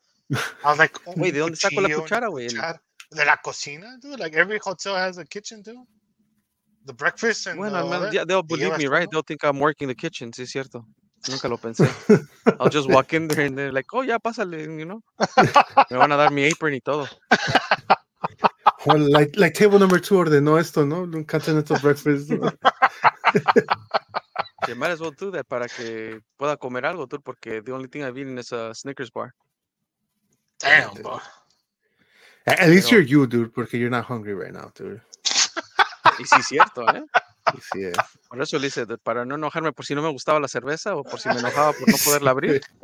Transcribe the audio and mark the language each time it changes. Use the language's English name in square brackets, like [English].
[English] I was like, [Spanish] wait, ¿de dónde saco la cuchara, güey? De la cocina, [English] dude. Like every hotel has a kitchen, dude. The breakfast and bueno, they'll believe me, right? They'll think I'm working the kitchen. [Spanish] Sí, es cierto. Nunca lo pensé. [English] I'll just walk in there and they're like, oh, [Spanish] ya, pásale, [English] you know. [Spanish] Me van a dar mi apron y todo. [English] Well, like table number two [Spanish] ordenó esto, ¿no? Un continental breakfast. ¿No? [English] You might as well do that [Spanish] para que pueda comer algo, [English] dude, porque the only thing I've eaten is a Snickers bar. Damn, bro. At least you're you, dude, because you're not hungry right now, dude. [Spanish] Y sí, cierto, ¿eh? Y sí, es. Por eso le hice, dude, para no enojarme por si no me gustaba la cerveza o por si me enojaba por no poderla abrir.